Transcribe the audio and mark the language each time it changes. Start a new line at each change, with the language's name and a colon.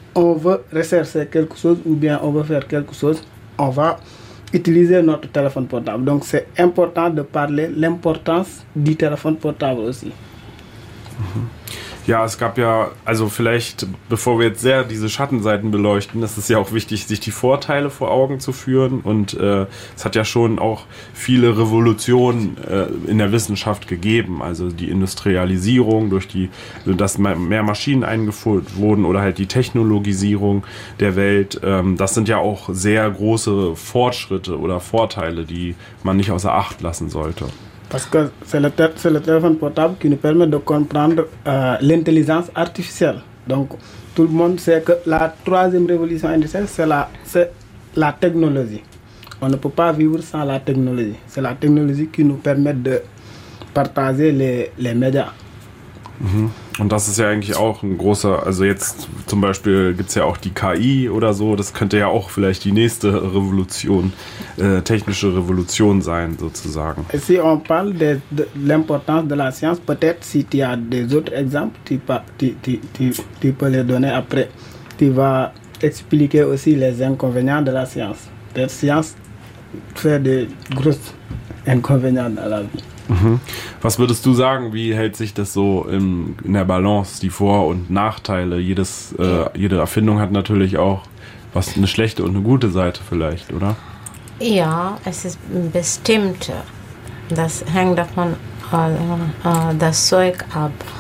French: on veut rechercher quelque chose ou bien on veut faire quelque chose, on va utiliser notre téléphone portable. Donc c'est important de parler l'importance du téléphone portable aussi.
German: Ja, es gab ja, also vielleicht, bevor wir jetzt sehr diese Schattenseiten beleuchten, das ist ja auch wichtig, sich die Vorteile vor Augen zu führen. Und es hat ja schon auch viele Revolutionen in der Wissenschaft gegeben. Also die Industrialisierung, durch die, dass mehr Maschinen eingeführt wurden oder halt die Technologisierung der Welt. Das sind ja auch sehr große Fortschritte oder Vorteile, die man nicht außer Acht lassen sollte.
French: Parce que c'est le téléphone portable qui nous permet de comprendre l'intelligence artificielle. Donc, tout le monde sait que la troisième révolution industrielle, c'est la technologie. On ne peut pas vivre sans la technologie. C'est la technologie qui nous permet de partager les médias.
German: Und das ist ja eigentlich auch ein großer, also jetzt zum Beispiel gibt es ja auch die KI oder so, das könnte ja auch vielleicht die nächste Revolution, technische Revolution sein, sozusagen.
French: Si on parle de l'importance de la science, peut-être si tu as des autres exemples, tu peux les donner après. Tu vas expliquer aussi les inconvénients de la science. La science fait des gros inconvénients dans la vie.
German: Was würdest du sagen, wie hält sich das so in der Balance, die Vor- und Nachteile? Jede Erfindung hat natürlich auch was, eine schlechte und eine gute Seite vielleicht, oder? Ja, es ist bestimmt, das hängt davon das Zeug ab.